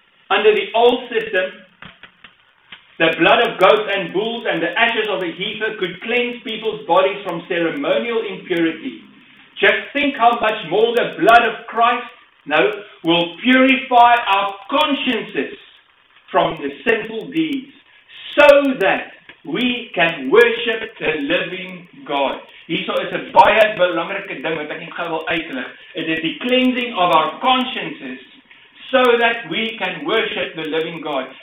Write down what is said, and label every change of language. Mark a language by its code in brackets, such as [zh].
[en] Under the old system, the blood of goats and bulls and the ashes of a heifer could cleanse people's bodies from ceremonial impurity. Just think how much more the blood of Christ, will purify our consciences from the sinful deeds, so that we can worship the living God. [af] Hierso is 'n baie belangrike ding wat ek net gou wil uitlig. [en] It is the cleansing of our consciences so that we can worship the living God.